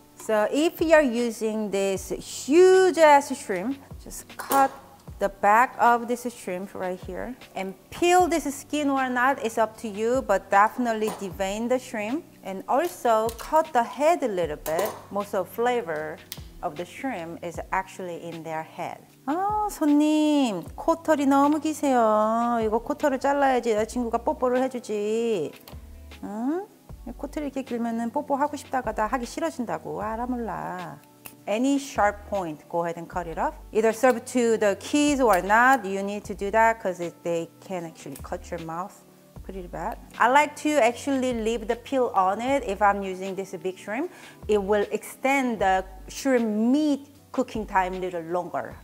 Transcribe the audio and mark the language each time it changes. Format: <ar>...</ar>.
<en>So if you're using this huge-ass shrimp, just cut the back of this shrimp right here and peel this skin or not, it's up to you, but definitely devein the shrimp and also cut the head a little bit. Most of the flavor of the shrimp is actually in their head.</en> <ko>Oh, 손님, 코털이 너무 기세요. 이거 코털을 잘라야지 여자친구가 뽀뽀를 해주지. 응? 코털이 이렇게 길면은 뽀뽀하고 싶다가다 하기 싫어진다고. 알아 몰라.</ko> <en>Any sharp point, go ahead and cut it off. Either serve to the kids or not, you need to do that because they can actually cut your mouth pretty bad. I like to actually leave the peel on it if I'm using this big shrimp. It will extend the shrimp meat cooking time a little longer.</en>